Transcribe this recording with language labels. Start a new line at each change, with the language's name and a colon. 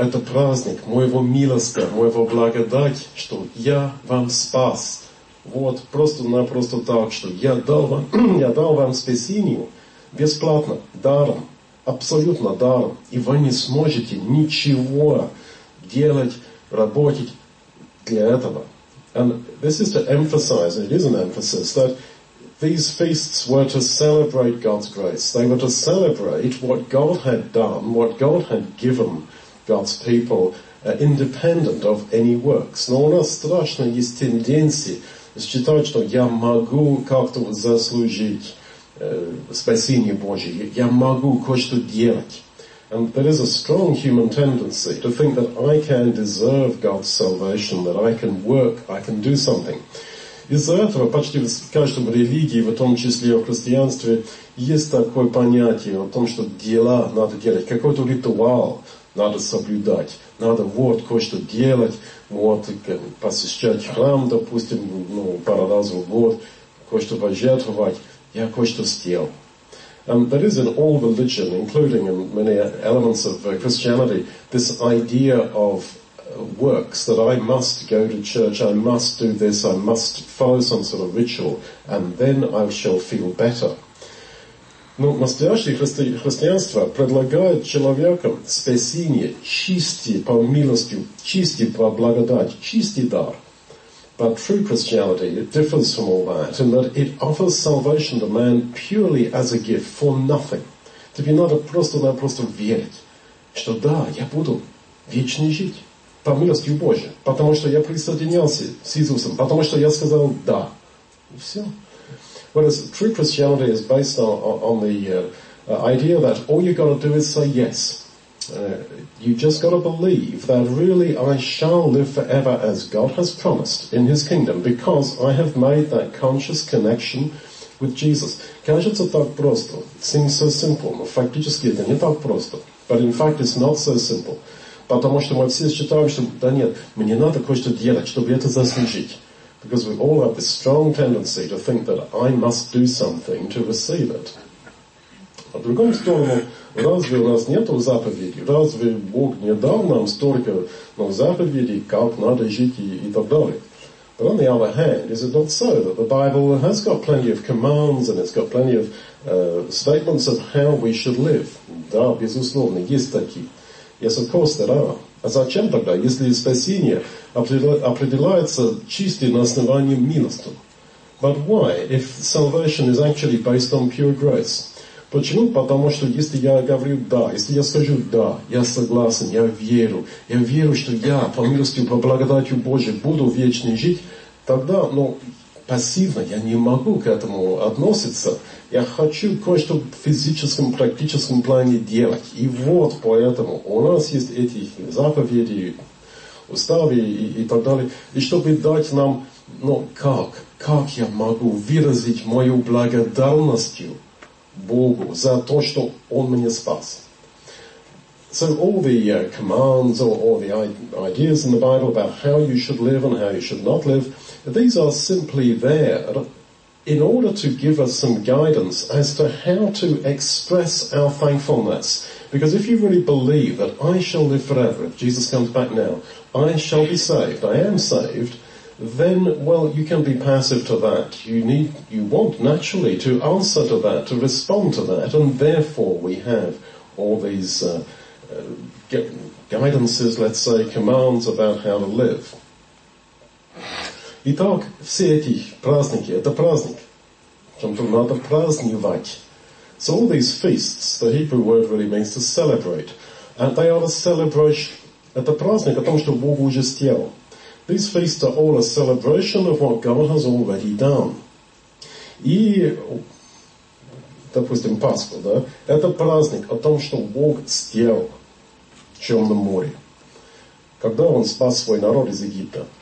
Russian: Это праздник моего милости, моего благодати, что я вам спас. Вот просто-напросто так, что я дал вам спасение. Бесплатно, даром, абсолютно даром. И вы не сможете ничего делать, работать для этого.
English: And this is to emphasize, it is an emphasis, that these feasts were to celebrate God's grace. They were to celebrate what God had done, what God had given God's people, independent of any works.
Russian: Но у нас страшно есть тенденция считать, что я могу как-то заслужить спасение Божие. Я могу кое-что делать.
English: And there is a strong human tendency to think that I can deserve God's salvation, that I can work, I can do something.
Russian: Из-за этого почти в каждом религии, в том числе и в христианстве, есть такое понятие о том, что дела надо делать. Какой-то ритуал надо соблюдать. Надо вот кое-что делать, вот посещать храм, допустим, ну, пару раз в год, кое-что пожертвовать. Я кое-что сделал.
English: There is in all religion, including in many elements of Christianity, this idea of works, that I must go to church, I must do this, I must follow some sort of ritual, and then I shall feel better.
Russian: Но настоящее христианство предлагает человеку спасение, чистый по милости, чистый по благодати, чистый дар.
English: But true Christianity, it differs from all that in that it offers salvation to man purely as a gift, for nothing.
Russian: Тебе надо просто-напросто верить, что да, я буду вечно жить по милости Божьей, потому что я присоединился с Иисусом, потому что я сказал да. И все.
English: Whereas true Christianity is based on the idea that all you got to do is say yes. You just got to believe that really I shall live forever as God has promised in His kingdom because I have made that conscious connection with Jesus.
Russian: Кажется так просто.
English: It seems so simple.
Russian: Но фактически это не так просто.
English: But in fact it's not so simple.
Russian: Потому что мы все считаем, что да нет, мне надо кое-что делать, чтобы это заслужить.
English: Because we all have this strong tendency to think that I must do something to receive it.
Russian: А в другом сторону, разве у нас нету заповедей? Разве Бог не дал нам столько заповедей, как надо жить и так далее?
English: But on the other hand, is it not so that the Bible has got plenty of commands and it's got plenty of statements of how we should live?
Russian: Да, безусловно, есть такие.
English: Yes, of course there are.
Russian: А зачем тогда, если спасение определяется чисто на основании милости?
English: But why, if salvation is actually based on pure grace?
Russian: Почему? Потому что если я говорю «да», если я скажу «да», я согласен, я верю, что я по милости, по благодати Божьей буду вечно жить, тогда, пассивно я не могу к этому относиться. Я хочу кое-что в физическом, практическом плане делать. И вот поэтому у нас есть эти заповеди, уставы и так далее. И чтобы дать нам, как я могу выразить мою благодарность Богу за то, что Он меня спас.
English: So all the commands or all the ideas in the Bible about how you should live and how you should not live, these are simply there in order to give us some guidance as to how to express our thankfulness. Because if you really believe that I shall live forever, if Jesus comes back now, I shall be saved, I am saved, then, you can be passive to that. You want naturally to answer to that, to respond to that, and therefore we have all these guidances, let's say, commands about how to live.
Russian: Итак, все эти праздники – это праздник. Чем-то надо праздновать.
English: So all these feasts, the Hebrew word really means to celebrate. And they are a celebration.
Russian: Это праздник о том, что Бог уже сделал.
English: These feasts are all a celebration of what God has already done.
Russian: И, допустим, Пасху, да? Это праздник о том, что Бог сделал в Черном море. Когда Он спас свой народ из Египта.